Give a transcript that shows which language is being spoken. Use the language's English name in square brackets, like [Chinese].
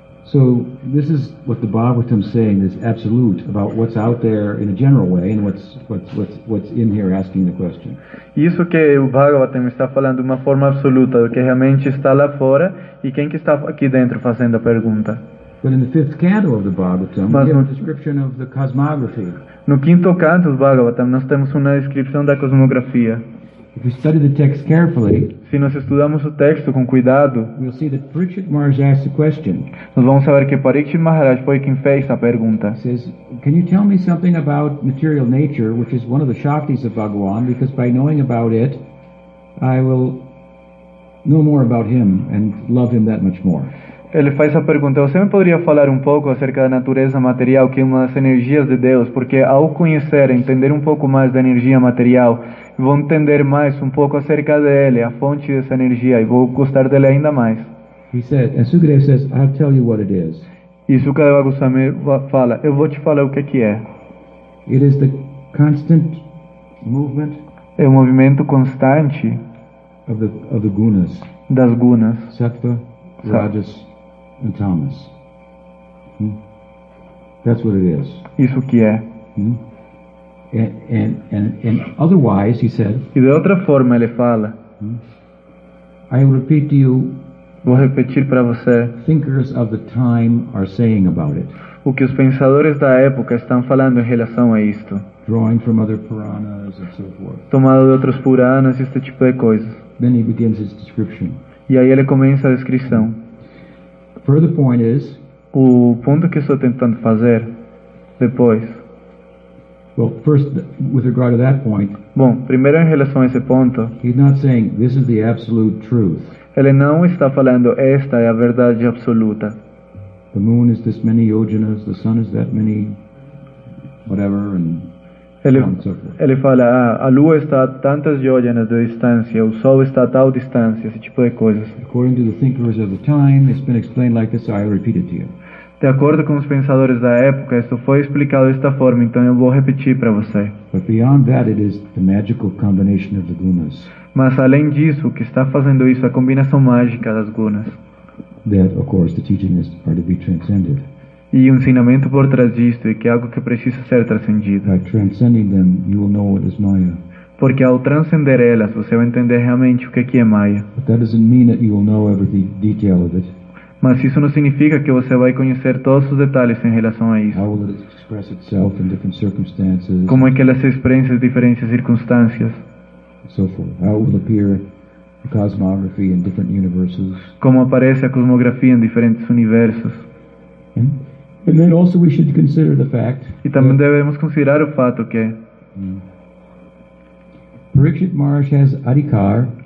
[English] So this is what the Bhagavatam is saying, this absolute about what's out there in a general way and what's in here asking the question. [Portuguese] Isso que o Bhagavatam está falando de uma forma absoluta, o que realmente está lá fora e quem que está aqui dentro fazendo a pergunta. [English] But in the fifth canto of the Bhagavatam, we have a description of the cosmography. [Portuguese] No quinto canto do Bhagavatam, nós temos uma descrição da cosmografia. [English] If we study the text carefully, [Portuguese] se nós estudamos o texto com cuidado, [English] we'll see that Parikshit Maharaj asked the question. [Portuguese] Nós vamos saber que Parikshit Maharaj foi quem fez a pergunta. [English] He says, "Can you tell me something about material nature, which is one of the shaktis of Bhagavan? Because by knowing about it, I will know more about him and love him that much more." [Portuguese] Ele faz a pergunta, você me poderia falar um pouco acerca da natureza material, que é uma das energias de Deus, porque ao conhecer, entender um pouco mais da energia material, vou entender mais um pouco acerca dele, a fonte dessa energia, e vou gostar dele ainda mais. [English] E Sukadeva says, I'll tell you what it is. [Portuguese] E Sukadeva Goswami fala, eu vou te falar o que é. [English] It is the constant movement. [Portuguese] É o movimento constante [English] of the gunas. [Portuguese] Das gunas. [English] Sattva, Rajas. And Thomas. That's what it is. [Portuguese] Isso que é. [English] And otherwise, he said. [Portuguese] E de outra forma ele fala. [English] I repeat to you. [Portuguese] Vou repetir para você. [English] Thinkers of the time are saying about it. [Portuguese] O que os pensadores da época estão falando em relação a isto. [English] Drawing from other Puranas and so forth. [Portuguese] Tomado de outros Puranas e este tipo de coisas. [English] Then he begins his description. [Portuguese] E aí ele começa a descrição. [English] Further point is, [Portuguese] o ponto que estou tentando fazer depois. [English] Well, first, with regard to that point. [Portuguese] Bom, primeiro em relação a esse ponto. [English] He's not saying this is the absolute truth. [Portuguese] Ele não está falando esta é a verdade absoluta. [English] The moon is this many yojanas, the sun is that many, whatever, and [Portuguese] ele, [English] so on and so forth. [Portuguese] Ele fala, a lua está a tantas yojanas de distância, o sol está a tal distância, esse tipo de coisas. [English] According to the thinkers of the time, it's been explained like this, so I repeat it to you. [Portuguese] De acordo com os pensadores da época, isso foi explicado desta forma, então eu vou repetir para você. [English] But beyond that, it is the magical combination of the gunas. [Portuguese] Mas além disso, o que está fazendo isso é a combinação mágica das gunas. [English] That, of course, the teachings are to be transcended. [Portuguese] E um ensinamento por trás disto é que é algo que precisa ser transcendido. [English] By transcending them, you will know what is Maya. [Portuguese] Porque ao transcender elas, você vai entender realmente o que é Maya. [English] But that doesn't mean that you will know every detail of it. [Portuguese] Mas isso não significa que você vai conhecer todos os detalhes em relação a isso. [English] How will it express itself in different circumstances? [Portuguese] Como é que ela se expressa em diferentes circunstâncias? [English] So forth. How will appear the cosmography in different universes? [Portuguese] Como aparece a cosmografia em diferentes universos? [English] And then also we should consider the fact. [Portuguese] E também devemos considerar o fato que [English] Parikshit Maharaj has adhikar.